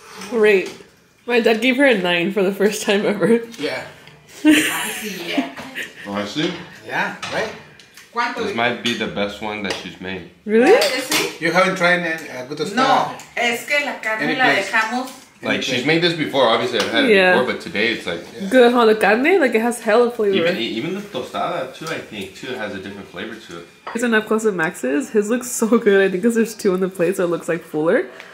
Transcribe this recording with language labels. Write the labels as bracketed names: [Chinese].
[English] Great. My dad gave her a 9 for the first time ever. Yeah. I see, yeah. Oh, I see. Yeah, right? This might be the best one that she's made. Really? You haven't tried it? Good to [Spanish] start. No, es que la carne la dejamos. [English] Like, she's made this before, obviously, I've had it before, but today it's like... Yeah. Good, huh? The carne, like, it has hella flavor. Even the tostada, too, I think, too, has a different flavor to it. Here's an up close of Max's. His looks so good. I think because there's two on the plate, so it looks, like, fuller.